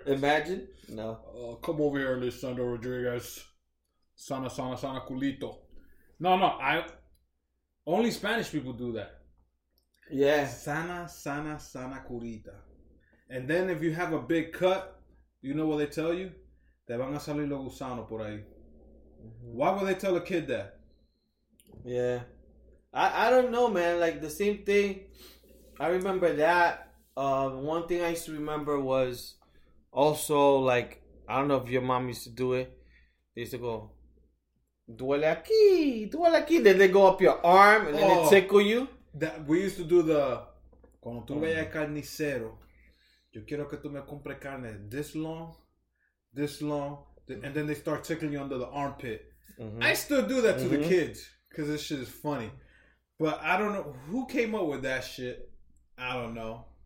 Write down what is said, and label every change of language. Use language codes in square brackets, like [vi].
[en] Imagine. No. Come over here, Lisandro Rodriguez. [es] Sana, sana, sana, culito. [en] No. Only Spanish people do that. Yeah. [es] Sana, sana, sana, curita. [en] And then if you have a big cut, you know what they tell you? [es] Te van a salir los gusanos por ahí. [en] Why would they tell a kid that? Yeah. I don't know, man. Like, the same thing. I remember that. One thing I used to remember was also, like, I don't know if your mom used to do it. They used to go, [es] duele aquí, duele aquí. [en] Then they go up your arm and then they tickle you. That we used to do the [es] cuando tú vayas al carnicero, yo quiero que tú me compres carne [en] this long, and then they start tickling you under the armpit. Mm-hmm. I still do that to the kids because this shit is funny. But I don't know who came up with that shit. I don't know.